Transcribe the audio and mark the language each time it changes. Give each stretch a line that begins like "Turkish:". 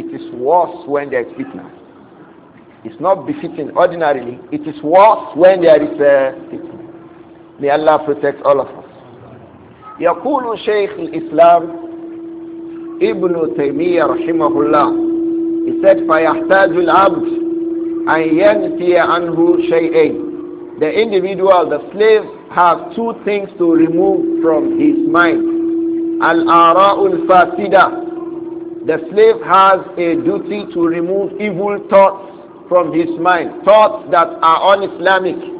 English: It is worse when there is fitna. It's not befitting ordinarily. It is worse when there is a fitna. May Allah protect all of us.
Arabic: يقول شيخ الإسلام ابن تيمية رحمه الله,
English: he said,
Arabic: فيحتاج العبد أن ينفي عنه شيئين.
English: The individual, the slave, has two things to remove from his mind.
Arabic: الآراء الفاسدة,
English: the slave has a duty to remove evil thoughts from his mind, thoughts that are un-Islamic.